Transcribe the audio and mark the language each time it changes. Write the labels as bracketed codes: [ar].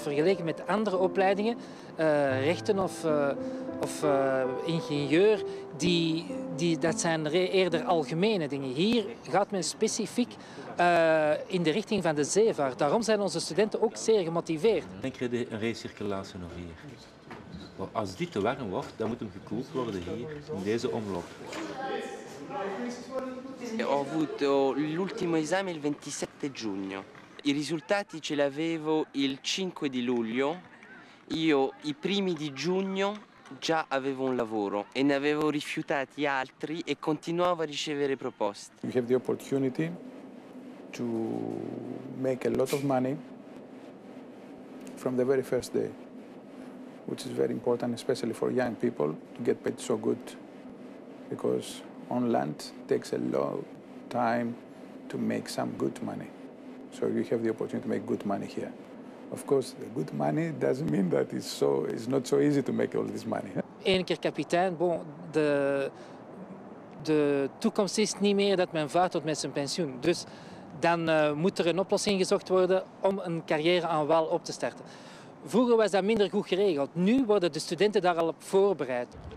[nl] Vergeleken met andere opleidingen, rechten of ingenieur, dat zijn eerder algemene dingen. Hier gaat men specifiek in de richting van de zeevaart. Daarom zijn onze studenten ook zeer gemotiveerd. Ik denk dat een recirculatie nog hier. Als dit te warm wordt, dan moet hem gekoeld worden hier, in deze omloop. [it] Ho avuto l'ultimo esame il 27 giugno. I risultati ce l'avevo il 5 di luglio. Io i primi di giugno già avevo un lavoro e ne avevo rifiutati altri e continuavo a ricevere proposte. [en] You have the opportunity to make a lot of money from the very first day. Which is very important, especially for young people, to get paid so good. Because on land takes a long time to make some good money. So you have the opportunity to make good money here. Of course, the good money doesn't mean that it's not so easy to make all this money. [nl] Eén keer kapitein, bon, de toekomst is niet meer dat men vaart tot met zijn pensioen. Dus dan moet er een oplossing gezocht worden om een carrière aan wal op te starten. Vroeger was dat minder goed geregeld. Nu worden de studenten daar al op voorbereid.